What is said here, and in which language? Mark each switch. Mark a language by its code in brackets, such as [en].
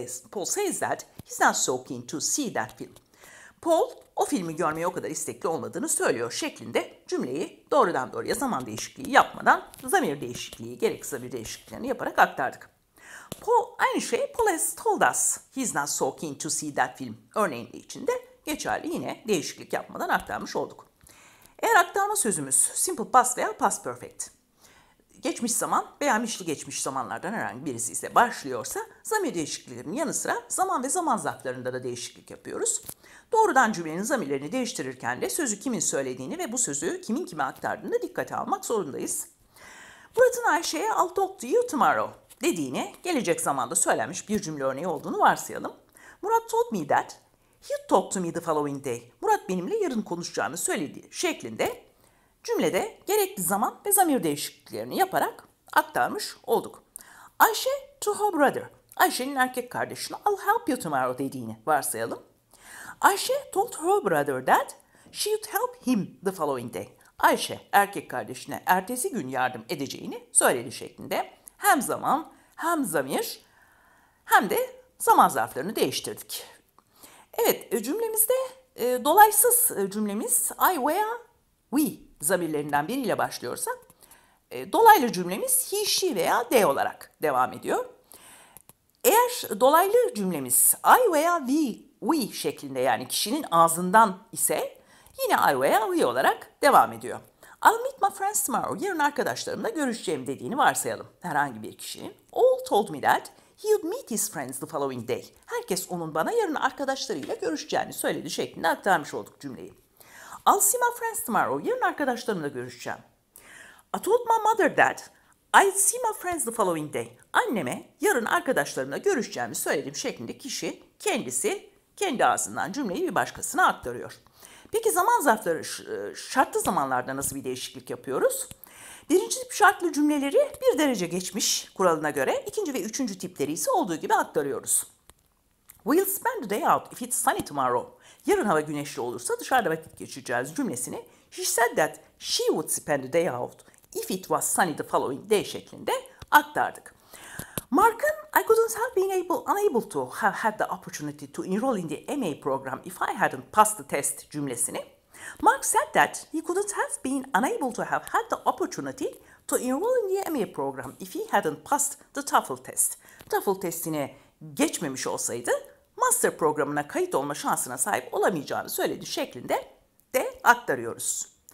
[en] Paul says that he's not so keen to see that film. [tr] Paul o filmi görmeye o kadar istekli olmadığını söylüyor şeklinde cümleyi doğrudan doğruya zaman değişikliği yapmadan zamir değişikliği, gerekli zamir değişikliklerini yaparak aktardık. Paul, aynı şey [en] Paul has told us he's not so keen to see that film [tr] örneğinde içinde geçerli yine değişiklik yapmadan aktarmış olduk. Eğer aktarma sözümüz simple past veya past perfect, geçmiş zaman veya mişli geçmiş zamanlardan herhangi birisi ise başlıyorsa zamir değişikliklerinin yanı sıra zaman ve zaman zarflarında da değişiklik yapıyoruz. Doğrudan cümlenin zamirlerini değiştirirken de sözü kimin söylediğini ve bu sözü kimin kime aktardığını dikkate almak zorundayız. Murat'ın Ayşe'ye [en] I'll talk to you tomorrow [tr] dediğini gelecek zamanda söylenmiş bir cümle örneği olduğunu varsayalım. [en] Murat told me that he'd talk to me the following day. [tr] Murat benimle yarın konuşacağını söyledi şeklinde cümlede gerekli zaman ve zamir değişikliklerini yaparak aktarmış olduk. [en] Ayşe to her brother. [tr] Ayşe'nin erkek kardeşine [en] I'll help you tomorrow [tr] dediğini varsayalım. [en] Ayşe told her brother that she'd help him the following day. [tr] Ayşe erkek kardeşine ertesi gün yardım edeceğini söyledi şeklinde hem zaman hem zamir hem de zaman zarflarını değiştirdik. Evet, cümlemizde dolaysız cümlemiz I veya we zamirlerinden biriyle başlıyorsa dolaylı cümlemiz he, she veya they olarak devam ediyor. Eğer dolaylı cümlemiz I veya we şeklinde yani kişinin ağzından ise yine I veya we olarak devam ediyor. [en] I'll meet my friends tomorrow. [tr] Yarın arkadaşlarımla görüşeceğim dediğini varsayalım. Herhangi bir kişinin. [en] All told me that he'd meet his friends the following day. [tr] Herkes onun bana yarın arkadaşlarıyla görüşeceğini söyledi şeklinde aktarmış olduk cümleyi. [en] I'll see my friends tomorrow. [tr] Yarın arkadaşlarımla görüşeceğim. [en] I told my mother that I'd see my friends the following day. [tr] Anneme yarın arkadaşlarımla görüşeceğimi söyledim şeklinde kişi kendisi kendi ağzından cümleyi bir başkasına aktarıyor. Peki zaman zarfları şartlı zamanlarda nasıl bir değişiklik yapıyoruz? Birinci tip şartlı cümleleri bir derece geçmiş kuralına göre ikinci ve üçüncü tipleri ise olduğu gibi aktarıyoruz. [en] We'll spend the day out if it's sunny tomorrow. [tr] Yarın hava güneşli olursa dışarıda vakit geçireceğiz cümlesini [en] she said that she would spend the day out if it was sunny the following day [tr] şeklinde aktardık. [en] Mark'ın I couldn't have been unable to have had the opportunity to enroll in the MA program if I hadn't passed the test cümlesini. Mark said that he couldn't have been unable to have had the opportunity to enroll in the MA program if he hadn't passed the TOEFL test. [tr] TOEFL testini geçmemiş olsaydı master programına kayıt olma şansına sahip olamayacağını söyledi şeklinde de aktarıyoruz.